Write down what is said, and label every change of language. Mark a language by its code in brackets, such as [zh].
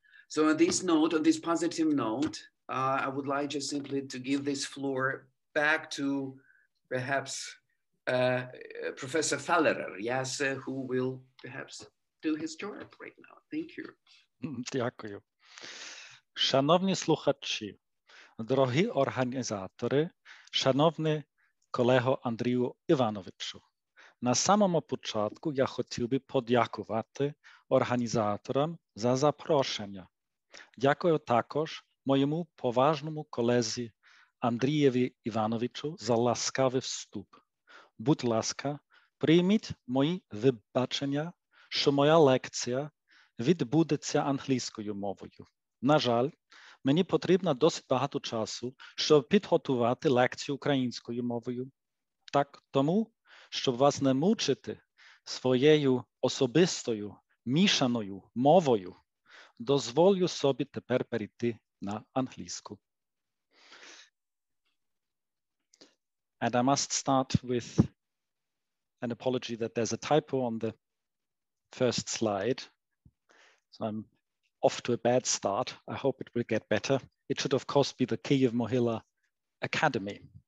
[en] So on this note, on this positive note, I would like just simply to give this floor back to perhaps Professor Fellerer, yes, who will perhaps do his job right now. Thank you. [uk] Дякую. Шановні слухачі, дорогі організатори, шановні колего Андрію Івановичу. На самому початку я хотів би подякувати організаторам за запрошення. Дякую також моєму поважному колезі Андрієві Івановичу за ласкавий вступ. Будь ласка, прийміть мої вибачення, що моя лекція відбудеться англійською мовою. На жаль, мені потрібно досить багато часу, щоб підготувати лекцію українською мовою. Так, тому, щоб вас не мучити своєю особистою мішаною мовою, дозволю собі тепер перейти на англійську. [en] And I must start with an apology that there's a typo on the first slide. So I'm off to a bad start. I hope it will get better. It should, of course, be the Kyiv Mohyla Academy.